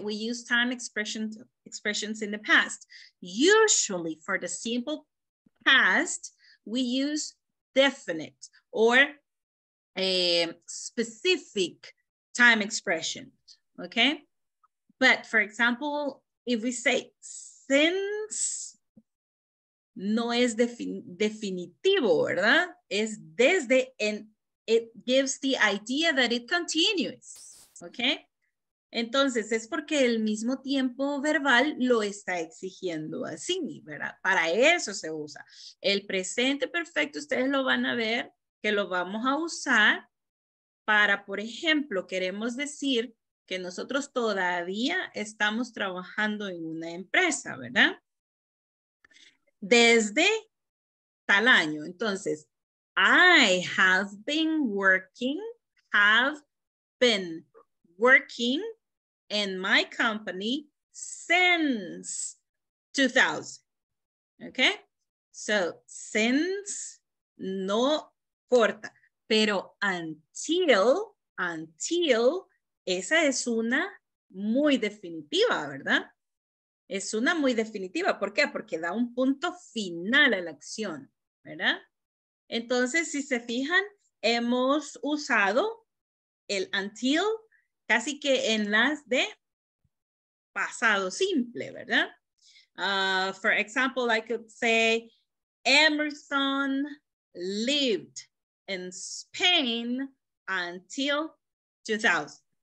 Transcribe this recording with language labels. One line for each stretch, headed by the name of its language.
English: We use time expressions in the past. Usually for the simple past, we use definite or a specific time expression, okay? But for example, if we say since,
Spanish: no es definitivo, ¿verdad? Es desde,
English: and it gives the idea that it continues, okay?
Spanish: Entonces, es porque el mismo tiempo verbal lo está exigiendo así, ¿verdad? Para eso se usa. El presente perfecto, ustedes lo van a ver, que lo vamos a usar para, por ejemplo, queremos decir que nosotros todavía estamos trabajando en una empresa, ¿verdad? Desde tal año.
English: Entonces, I have been working, have been working in my company since 2000. Okay? So, since
Spanish: no corta. Pero until, esa es una muy definitiva, ¿verdad? Es una muy definitiva. ¿Por qué? Porque da un punto final a la acción, ¿verdad? Entonces, si se fijan, hemos usado el until casi que en las de pasado simple, ¿verdad?
English: For example, I could say, Emerson lived in Spain until 2000.